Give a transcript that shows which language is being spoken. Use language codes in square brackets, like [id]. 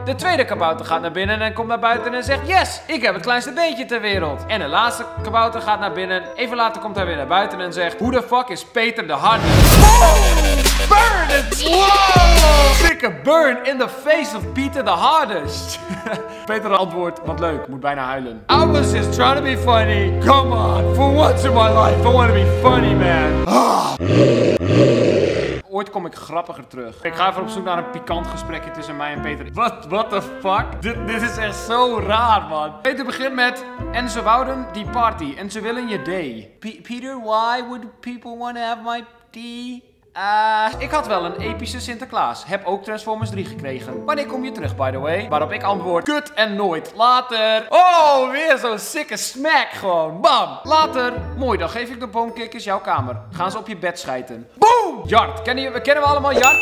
[nl] De tweede kabouter gaat naar binnen en komt naar buiten en zegt, yes, ik heb het kleinste beentje ter wereld. En de laatste kabouter gaat naar binnen, even later komt hij weer naar buiten en zegt, [en] who the fuck is Peter de Harde? Burn! Dikke burn in the face of Peter de Harde. [nl] Peter antwoordt, wat leuk, moet bijna huilen. [en] I was just trying to be funny, come on, for once in my life, I want to be funny, man. [nl] Ooit kom ik grappiger terug. Ik ga even op zoek naar een pikant gesprekje tussen mij en Peter. [en] What the fuck? [nl] Dit is echt zo raar, man. Peter begint met, en ze wouden die party en ze willen je day. [en] Peter, why would people want to have my tea? [nl] Ik had wel een epische Sinterklaas. Heb ook Transformers 3 gekregen. Wanneer kom je terug, [en] by the way? [nl] Waarop ik antwoord, kut en nooit. Later. Oh, weer zo'n sikke smack gewoon. Bam. Later. Mooi, dan geef ik de boomkikkers jouw kamer. Gaan ze op je bed schijten. Boom. Yart. Kennen we allemaal Yart?